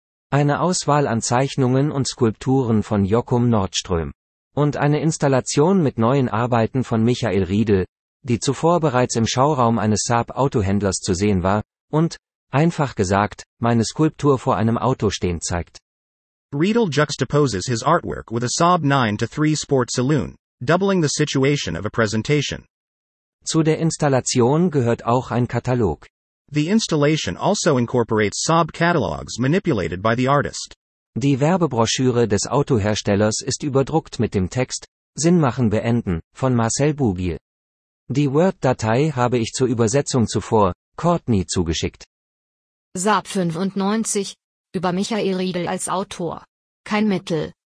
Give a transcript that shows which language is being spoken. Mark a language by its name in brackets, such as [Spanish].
[German] Eine Auswahl an Zeichnungen und Skulpturen von Joachim Nordström. Und eine Installation mit neuen Arbeiten von Michael Riedel, die zuvor bereits im Schauraum eines Saab-Autohändlers zu sehen war, und, einfach gesagt, meine Skulptur vor einem Auto stehen zeigt. [English] Riedel juxtaposes his artwork with a Saab 9-3 Sport Saloon, doubling the situation of a presentation. [German] Zu der Installation gehört auch ein Katalog. [English] The installation also incorporates Saab catalogs manipulated by the artist. [German] Die Werbebroschüre des Autoherstellers ist überdruckt mit dem Text Sinn machen beenden von Marcel Bougiel. Die Word-Datei habe ich zur Übersetzung zuvor Courtney zugeschickt. Saab 95 über Michael Riedel als Autor. Kein Mittel.